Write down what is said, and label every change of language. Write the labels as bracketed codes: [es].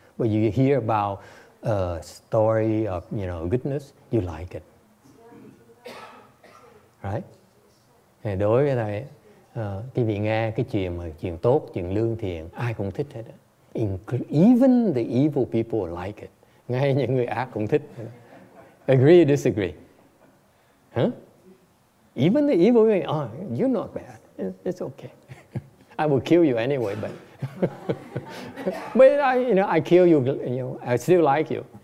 [en] But you hear about a story of, you know, goodness, you like it. Right? [vi] Thì đối với thầy, cái vị nghe cái chuyện mà chuyện tốt, chuyện lương thiện, ai cũng thích hết. [en] Even the evil people like it. [vi] Ngay những người ác cũng thích. [en] Agree or disagree? Huh? Even the evil people, oh, you're not bad. It's okay. I will kill you anyway, but but I, you know, I kill you, you know, I still like you.